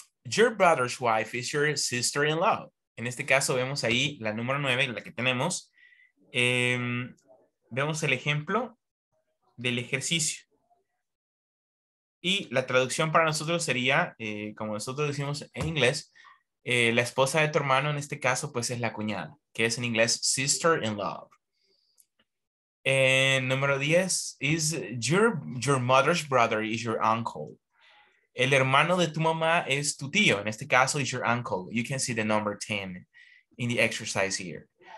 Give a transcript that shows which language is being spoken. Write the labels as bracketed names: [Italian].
[English] Your brother's wife is your sister-in-law. [Spanish] En este caso vemos ahí la número 9, la que tenemos. Vemos el ejemplo del ejercicio. Y la traducción para nosotros sería, como nosotros decimos en inglés, la esposa de tu hermano en este caso pues es la cuñada, que es en inglés sister-in-law. [English] And number 10 is your mother's brother is your uncle. [Spanish] El hermano de tu mamá es tu tío. En este caso, [English] is your uncle. You can see the number 10 in the exercise here.